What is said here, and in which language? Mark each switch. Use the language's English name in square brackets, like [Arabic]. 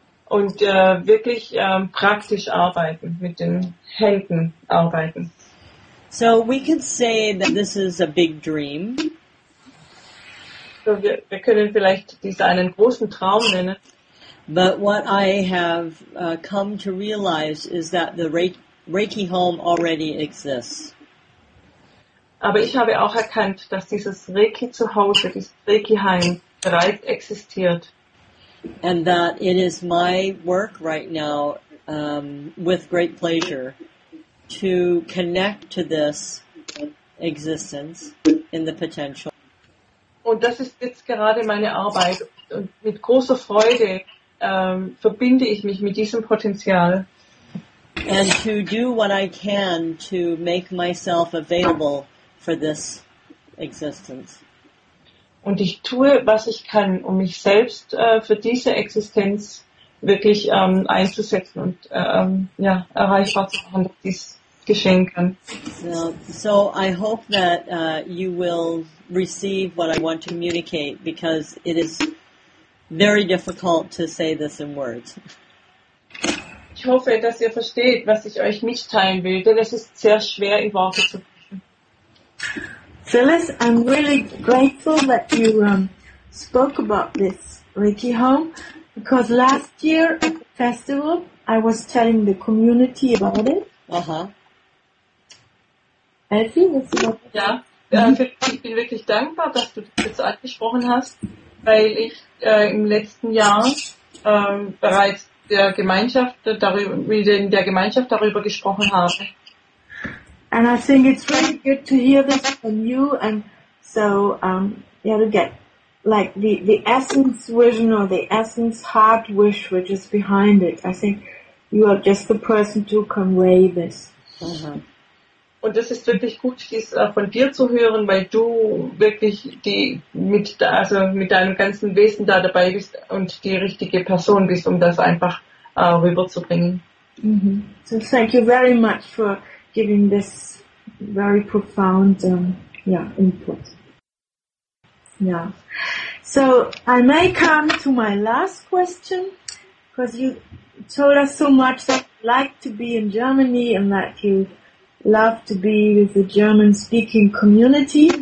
[German] Und wirklich praktisch arbeiten, mit den Händen arbeiten. [English] So we could say that this is a big dream. [German] So wir können vielleicht dies einen großen Traum nennen. [English] But what I have come to realize is that the Reiki home already exists. [German] Aber ich habe auch erkannt, dass dieses Reiki Zuhause, dieses Reiki Heim bereits existiert. [English] And that it is my work right now, with great pleasure, to connect to this existence in the potential. [German] Und das ist jetzt gerade meine Arbeit. Und mit großer Freude verbinde ich mich mit diesem Potenzial. [English] And to do what I can to make myself available for this existence. [German] Und ich tue, was ich kann, um mich selbst für diese Existenz wirklich einzusetzen und ja, erreichbar zu machen, dass dies geschehen kann. [English] So I hope that you will receive what I want to communicate, because it is very difficult to say this in words. [German] Ich hoffe, dass ihr versteht, was ich euch mitteilen will, denn es ist sehr schwer, in Worte zu bringen. [English] Phyllis, I'm really grateful that you spoke about this Reiki home, because last year at the festival, I was telling the community about it. Uh-huh. Elfie, was you want to say? Yeah. [German] Ich bin wirklich dankbar, dass du das jetzt angesprochen hast, weil ich im letzten Jahr bereits der Gemeinschaft darüber gesprochen habe. [English] And I think it's really good to hear this from you, and so to get like the essence vision or the essence heart wish which is behind it. I think you are just the person to convey this. Uh-huh. [German] Und das ist wirklich gut, dies von dir zu hören, weil du wirklich mit deinem ganzen Wesen da dabei bist und die richtige Person bist, um das einfach rüberzubringen. Mm-hmm. [English] So thank you very much for giving this very profound input. Yeah. So I may come to my last question, because you told us so much that you like to be in Germany and that you love to be with the German-speaking community.